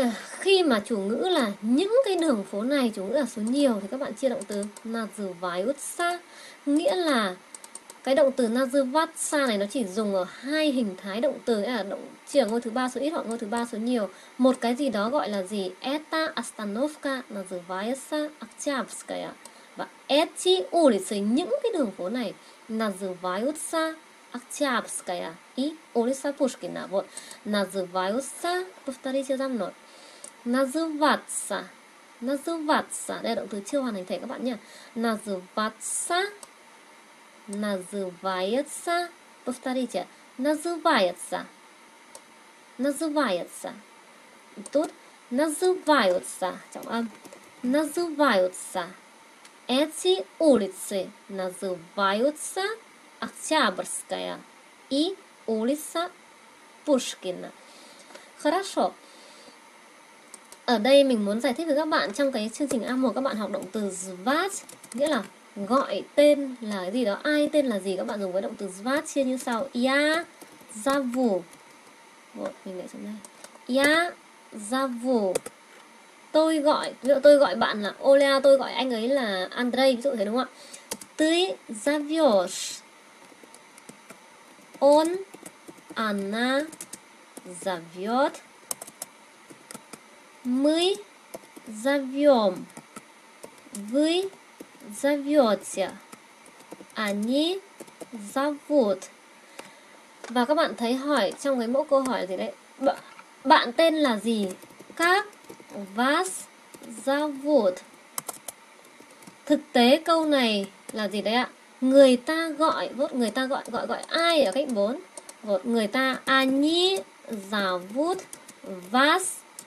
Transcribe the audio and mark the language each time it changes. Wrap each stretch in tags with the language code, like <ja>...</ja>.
<vi>Khi mà chủ ngữ là những cái đường phố này, chủ ngữ là số nhiều, thì các bạn chia động từ называются, nghĩa là cái động từ называться này nó chỉ dùng ở hai hình thái động từ, nghĩa là động chỉ ở ngôi thứ ba số ít hoặc ngôi thứ ba số nhiều. Một cái gì đó gọi là gì?</vi> <ru>Эта остановка называется Октябрьская. Và эти улицы,</ru> <vi>những cái đường phố này,</vi> <ru>называются Октябрьская и улица Пушкина. Вот. Называются, повторите за мной. Называться. Называться.</ru> <vi>Đây là động từ chưa hoàn thành thể các bạn nhé.</vi> <ru>Называться. Называется. Повторите. Называется. Называется. Тут называются.</ru> <vi>Trọng âm.</vi> <ru>Называются. Эти улицы называются Октябрьская и улица Пушкина. Хорошо.</ru> <vi>Ở đây mình muốn giải thích với các bạn, trong cái chương trình A1 các bạn học động từ звать, nghĩa là gọi tên là cái gì đó, ai tên là gì, các bạn dùng với động từ звать chia như sau.</vi> <ru>Я зову.</ru> <vi>Mình để xuống đây.</vi> <ru>Я зову.</ru> <vi>Tôi gọi, ví dụ tôi gọi bạn là Оля, tôi gọi anh ấy là Андрей, ví dụ thế đúng không ạ?</vi> <ru>Ты зовёшь. Он, она, зовет, мы зовем, вы зовете, они зовут.</ru> <vi>Và các bạn thấy hỏi trong cái mẫu câu hỏi gì đấy? Bạn tên là gì?</vi> <ru>Как вас зовут?</ru> <vi>Thực tế câu này là gì đấy ạ? Người ta gọi, вот người ta gọi, gọi ai ở cách 4? Вот người ta</vi> <ru>они зовут вас</ru>